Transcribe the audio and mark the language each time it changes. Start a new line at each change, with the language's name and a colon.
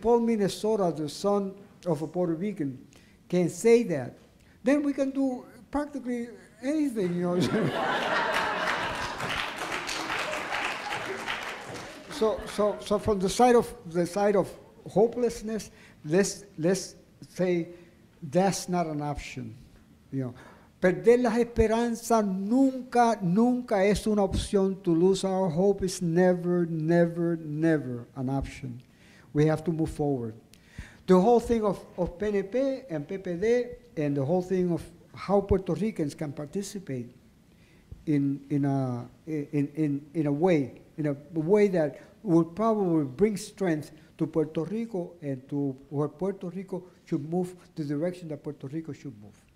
English: Paul, Minnesota, the son of a Puerto Rican, can say that, then we can do practically anything, you know. So from the side of hopelessness, let's say that's not an option, you know.
Spanish: Perder las esperanzas nunca, nunca es una opción.
English: To lose our hope is never, never, never an option. We have to move forward. The whole thing of PNP and PPD and the whole thing of how Puerto Ricans can participate in a way that will probably bring strength to Puerto Rico and to where Puerto Rico should move, the direction that Puerto Rico should move.